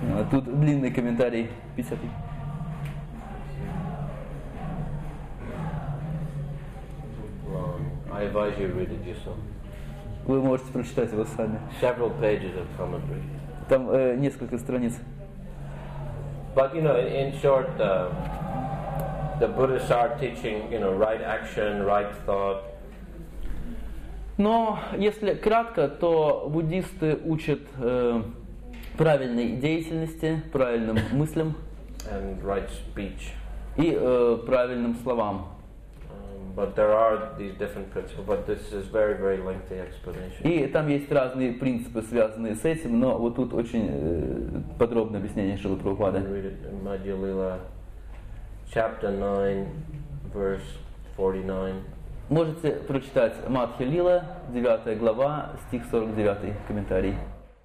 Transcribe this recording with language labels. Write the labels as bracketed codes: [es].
[ru] Тут длинный комментарий, 50. [en] I advise you read it yourself. [ru] Вы можете прочитать его сами. [en] Several pages of commentary. [ru] Там несколько страниц. [en] But you know, in short, the Buddhists are teaching, you know, right action, right thought. [ru] Но если кратко, то буддисты учат правильной деятельности, правильным мыслям [en] and right speech. [ru] И правильным словам. [en] But there are these different principles, but this is very, very lengthy explanation. [ru] И там есть разные принципы, связанные с этим, но вот тут очень подробное объяснение Шрилы Прабхупады. [en] Read it in Madhya Lila, chapter 9, verse 49. [ru] Можете прочитать Мадхья Лила, 9 глава, стих 49, комментарий.